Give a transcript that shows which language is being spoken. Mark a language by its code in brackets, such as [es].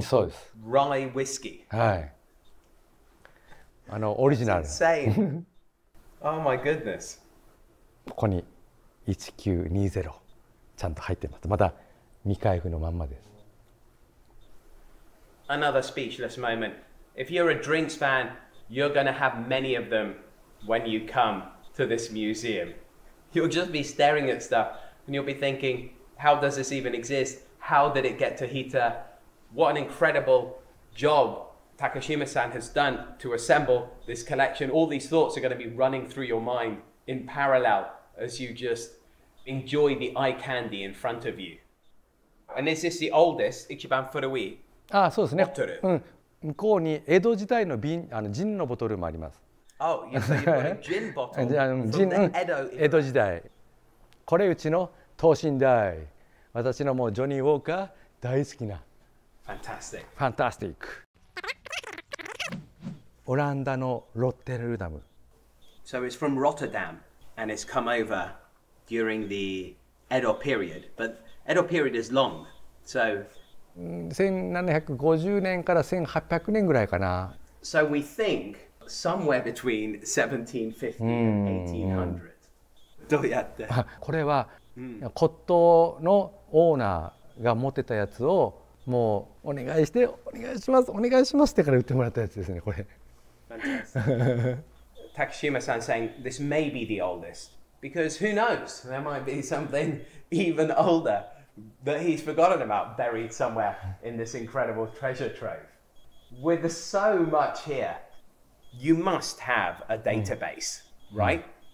[ja] そうです。 [en] Rye whiskey. [ja] はい。オリジナル。 [en] Insane. Oh my goodness. [ja] ここに1920ちゃんと入ってます。まだ未開封のまんまです。 [en] Another speechless moment. If you're a drinks fan, you're gonna have many of them when you come to this museum. You'll just be staring at stuff and you'll be thinking, how does this even exist? How did it get to Hita? What an incredible job Takashima-san has done to assemble this collection. All these thoughts are gonna be running through your mind in parallel as you just enjoy the eye candy in front of you. And is this the oldest, [ja] 一番古いあ、そうですね。うん、向こうに江戸時代の瓶、ジンのボトルもあります。 [en] Oh, you say you've got a gin bottle from the Edo era. [ja] 江戸時代。これうちの等身大。私のもうジョニー・ウォーカー大好きな。 [en] Fantastic. Fantastic. [ja] オランダのロッテルダム。 [en] So it's from Rotterdam and it's come over during the Edo period. But Edo period is long, so... [ja] 1750年から1800年ぐらいかな。 [en] So we think somewhere between 1750 and 1800. [ja] どうやって？これは骨董のオーナーが持ってたやつをもうお願いしてお願いしますお願いしますってから売ってもらったやつですね、これ。 [en] Fantastic. Takashima-san saying this may be the oldest. Because who knows? There might be something even older. That he's forgotten about, buried somewhere in this incredible treasure trove. With so much here, you must have a database, right?